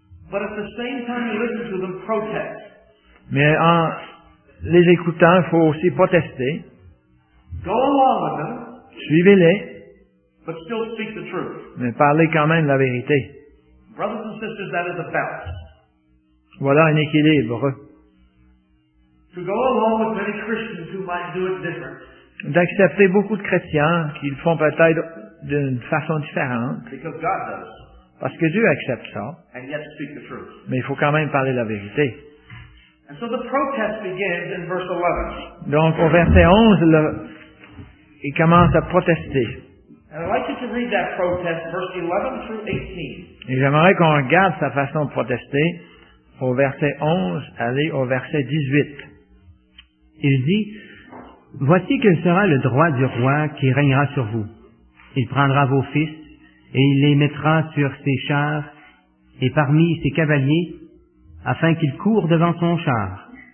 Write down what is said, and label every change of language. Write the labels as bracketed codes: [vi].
[en] But at the same time, he listened to them protest. [fr] Mais en les écoutant, il faut aussi protester. [en] Go along with them. [fr] Suivez-les. [en] But still speak the truth. [fr] Mais parlez quand même la vérité. [en] Brothers and sisters, that is a balance. [fr] Voilà un équilibre. [en] To go along with many Christians who might do it different. [fr] D'accepter beaucoup de chrétiens qui le font peut-être d'une façon différente. [en] Because God does. [fr] Parce que Dieu accepte ça. [en] And yet speak the truth. [fr] Mais il faut quand même parler la vérité. [en] And so the protest begins in verse 11. [fr] Donc au verset 11, il commence à protester. [en] And I'd like you to read that protest, verse 11 through 18. [fr] Et j'aimerais qu'on regarde sa façon de protester au verset 11, aller au verset 18. Il dit, « Voici quel sera le droit du roi qui règnera sur vous. Il prendra vos fils, et il les mettra sur ses chars, et parmi ses cavaliers, afin qu'ils courent devant son char.